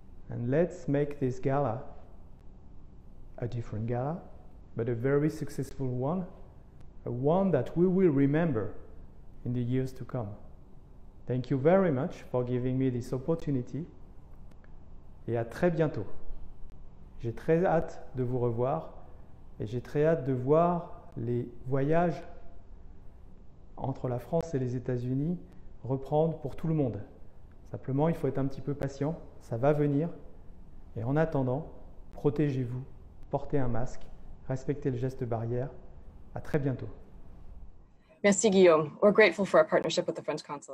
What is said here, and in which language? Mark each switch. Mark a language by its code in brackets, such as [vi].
[en] And let's make this gala a different gala, but a very successful one, a one that we will remember in the years to come. Thank you very much for giving me this opportunity. [fr] Et à très bientôt. J'ai très hâte de vous revoir et j'ai très hâte de voir les voyages entre la France et les États-Unis reprendre pour tout le monde. Simplement, il faut être un petit peu patient, ça va venir. Et en attendant, protégez-vous, portez un masque, respectez le geste barrière. À très bientôt. [en] Merci Guillaume. We're grateful for our partnership with the French Consulate.